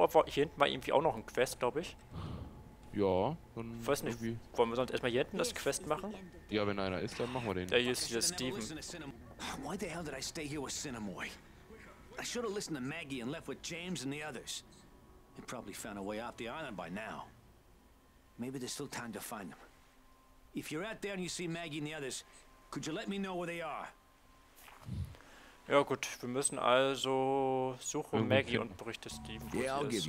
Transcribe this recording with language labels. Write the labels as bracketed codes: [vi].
[de] Oder hier hinten war irgendwie auch noch ein Quest, glaube ich. Ja, dann. Weiß nicht, irgendwie. Wollen wir sonst erstmal hier hinten das Quest machen? Ja, wenn einer ist, dann machen wir den. Da hier ist hier Steven. [en] Why the hell did I stay here with Cinnamoy? I should have listened to Maggie and left with James and the others. They probably found a way off the island by now. Maybe there's still time to find them. If you're out there and you see Maggie and the others, could you let me know where they are? [de] Ja gut, wir müssen also suchen Maggie und berichte Steven, wo sie ist.